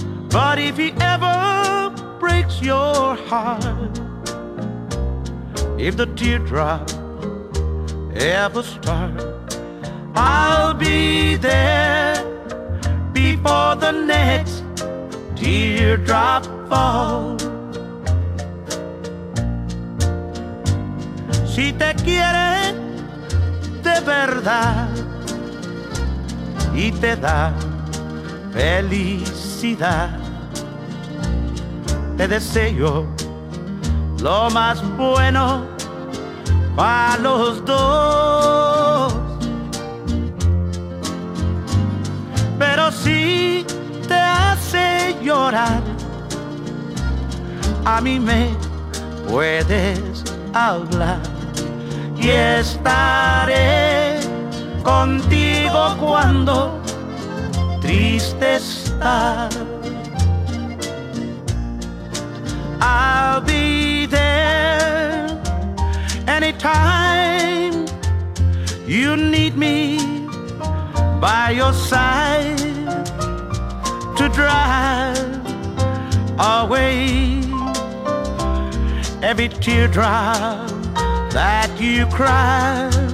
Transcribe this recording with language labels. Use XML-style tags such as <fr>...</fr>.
<en>But if he ever breaks your heart, if the teardrop ever starts, I'll be there before the next teardrop falls.</en> <es>Si te quiere de verdad y te da felicidad, te deseo lo más bueno pa' los dos. Pero si te hace llorar, a mí me puedes hablar, y estaré contigo cuando triste estás.</es> <en>I'll be there anytime you need me by your side to drive away every teardrop that you cry.</en>